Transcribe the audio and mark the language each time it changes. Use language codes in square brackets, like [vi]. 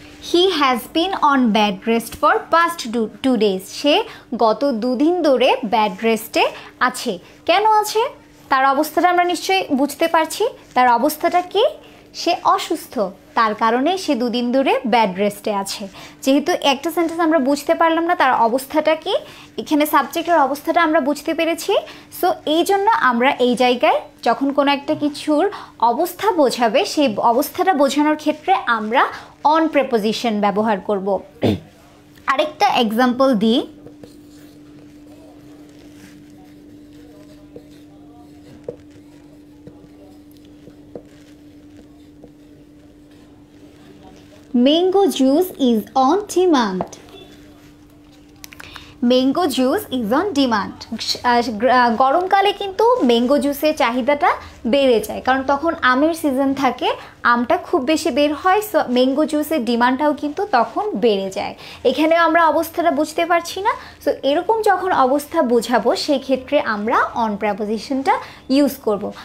[en] He has been on bed rest for past two days. [bn] সে গত দুদিন ধরে bad রেস্টে আছে। কেন আছে তার অবস্থাটা আমরা নিশ্চয়ই বুঝতে পারছি। তার অবস্থাটা কি, সে অসুস্থ, তার কারণে সে দুদিন ধরে ব্যাড রেস্টে আছে। যেহেতু একটা সেন্টেন্স আমরা বুঝতে পারলাম না তার অবস্থাটা কি, এখানে সাবজেক্টের অবস্থাটা আমরা বুঝতে পেরেছি, সো এই জন্য আমরা এই জায়গায় যখন কোনো একটা কিছুর অবস্থা বোঝাবে সেই অবস্থাটা বোঝানোর ক্ষেত্রে আমরা অন প্রেপোজিশন ব্যবহার করব। আরেকটা এক্সাম্পল দিই। [en] Mango juice is on demand. Mango juice is on demand. [bn] গরমকালে কিন্তু ম্যাঙ্গো জুসের চাহিদাটা বেড়ে যায়, কারণ তখন আমের সিজন থাকে, আমটা খুব বেশি বের হয়, সো ম্যাঙ্গো জুসের ডিমান্ডটাও কিন্তু তখন বেড়ে যায়। এখানে আমরা অবস্থাটা বুঝতে পারছি না, সো এরকম যখন অবস্থা বোঝাবো সেই ক্ষেত্রে আমরা অন প্রেপোজিশনটা ইউজ করব।